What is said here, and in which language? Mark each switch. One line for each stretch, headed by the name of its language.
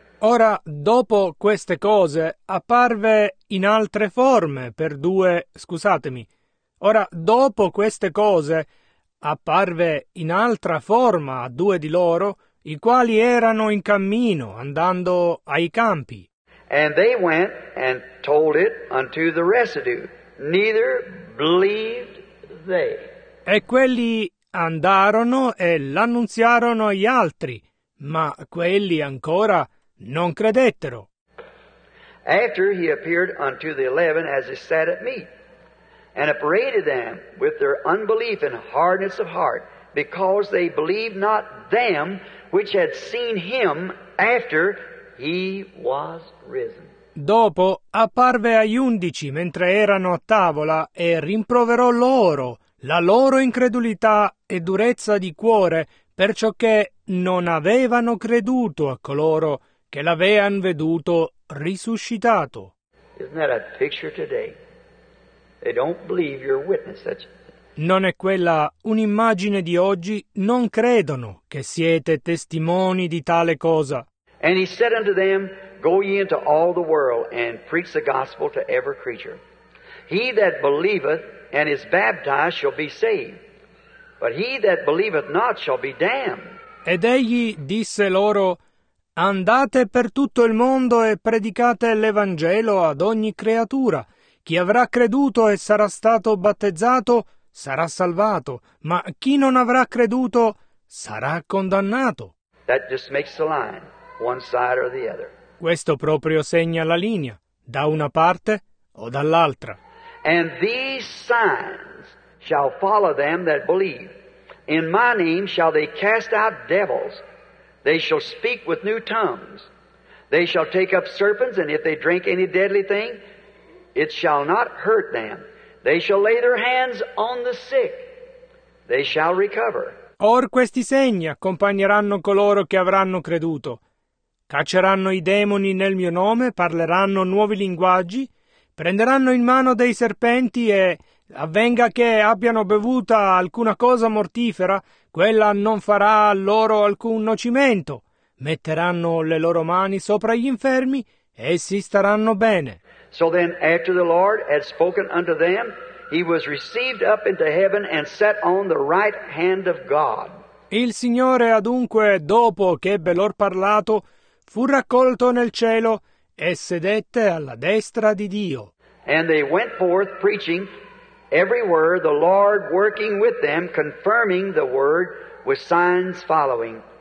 Italian: Ora, dopo queste cose, apparve in altre forme per 2, scusatemi. Ora, dopo queste cose, apparve in altra forma a 2 di loro, i quali erano in cammino, andando ai campi.
English: And they went and told it unto the residue, neither believed they.
Italian: E quelli andarono e l'annunziarono agli altri, ma quelli ancora non credettero.
English: After he appeared unto the 11 as he sat at meat, and upbraided them with their unbelief and hardness of heart, because they believed not them which had seen him after he was risen.
Italian: Dopo apparve agli 11 mentre erano a tavola e rimproverò loro la loro incredulità e durezza di cuore, perciò che non avevano creduto a coloro che l'avean veduto risuscitato.
English: Isn't that a picture today? They don't believe your witness, that's...
Italian: Non è quella un'immagine di oggi? Non credono che siete testimoni di tale cosa.
English: And he said unto them, go ye into all the world and preach the gospel to every creature. He that believeth and is baptized shall be saved, but he that believeth not shall be damned.
Italian: Ed egli disse loro, andate per tutto il mondo e predicate l'Evangelo ad ogni creatura. Chi avrà creduto e sarà stato battezzato sarà salvato, ma chi non avrà creduto sarà condannato.
English: That just makes the line, one side or the other.
Italian: Questo proprio segna la linea, da una parte o dall'altra.
English: And these signs shall follow them that believe. In my name shall they cast out devils. They shall speak with new tongues. They shall take up serpents, and if they drink any deadly thing, it shall not hurt them. They shall lay their hands on the sick. They shall recover.
Italian: Or questi segni accompagneranno coloro che avranno creduto. Cacceranno i demoni nel mio nome, parleranno nuovi linguaggi, prenderanno in mano dei serpenti e avvenga che abbiano bevuta alcuna cosa mortifera, quella non farà loro alcun nocimento. Metteranno le loro mani sopra gli infermi e essi staranno bene.
English: So then after the Lord had spoken unto them, He was received up into heaven and set on the right hand of God.
Italian: Il Signore adunque, dopo che ebbe lor parlato, fu raccolto nel cielo e sedette alla destra di Dio.
English: And they went forth preaching everywhere, the Lord working with them, confirming the word with signs following.